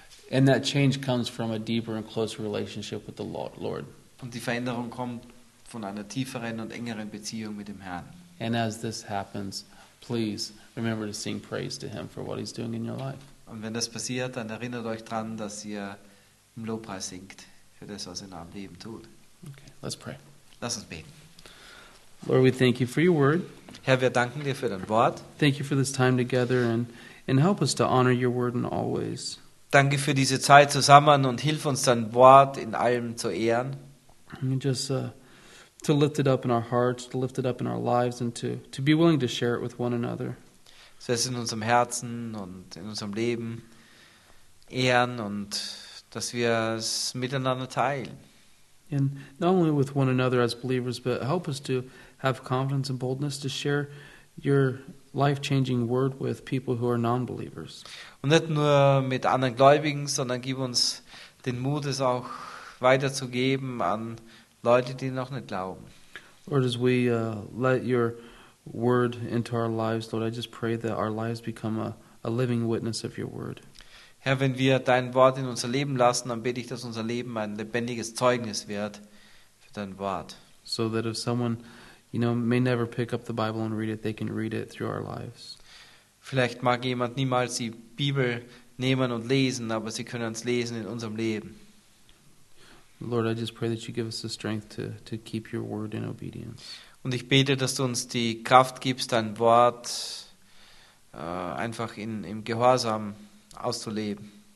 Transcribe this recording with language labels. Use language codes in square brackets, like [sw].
[en] And that change comes from a deeper and closer relationship with the Lord. [de] Und die Veränderung kommt von einer tieferen und engeren Beziehung mit dem Herrn. [en] And as this happens, please remember to sing praise to him for what he's doing in your life. [de] Und wenn das passiert, dann erinnert euch dran, dass ihr im Lobpreis singt für das, was er in eurem Leben tut. [en] Okay, let's pray. [de] Lass uns beten. [en] Lord, we thank you for your word. [de] Herr, wir danken dir für dein Wort. [en] Thank you for this time together and help us to honor your word in always. [de] Danke für diese Zeit zusammen und hilf uns, dein Wort in allem zu ehren. [en] To lift it up in our hearts, to lift it up in our lives, and to be willing to share it with one another. [de] So es in unserem Herzen und in unserem Leben ehren und dass wir es miteinander teilen. [en] And not only with one another as believers, but help us to have confidence and boldness to share your life-changing word with people who are non-believers. [de] Und nicht nur mit anderen Gläubigen, sondern gib uns den Mut, es auch weiterzugeben an Leute, die noch nicht glauben. [en] Lord, as we let your word into our lives, Lord, I just pray that our lives become a living witness of your word. [de] Herr, wenn wir dein Wort in unser Leben lassen, dann bete ich, dass unser Leben ein lebendiges Zeugnis wird für dein Wort. [en] So that if someone, you know, may never pick up the Bible and read it, they can read it through our lives. [de] Vielleicht mag jemand niemals die Bibel nehmen und lesen, aber sie können es lesen in unserem Leben. [en] Lord, I just pray that you give us the strength to keep your word in obedience. [de] Und ich bete, dass du uns die Kraft gibst, dein Wort einfach im Gehorsam auszuleben.